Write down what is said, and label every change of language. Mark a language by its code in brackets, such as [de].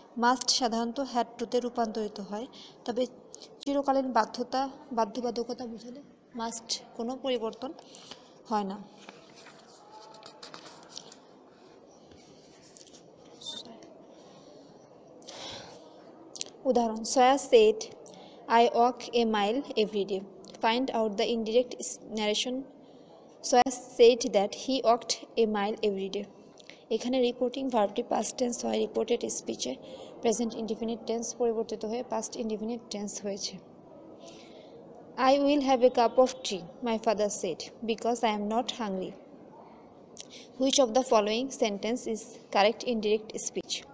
[bn] Must সাধারণত had টুতে রূপান্তরিত হয়, তবে চিরকালীন বাধ্যবাধকতা বুঝলে মাস্ট কোনো পরিবর্তন হয় না। [en] উদাহরণ, Soya said I walk a mile every day. Find out the indirect narration. Soya said that he walked a mile every day. [bn] এখানে রিপোর্টিং ভার্বটি past tense হয় রিপোর্টেড স্পিচে, প্রেজেন্ট ইনডিফিনিট টেন্স পরিবর্তিত হয়ে পাস্ট ইনডিফিনিট টেন্স হয়েছে। [en] I will have a cup of tea my father said because I am not hungry. Which of the following sentence is correct indirect speech?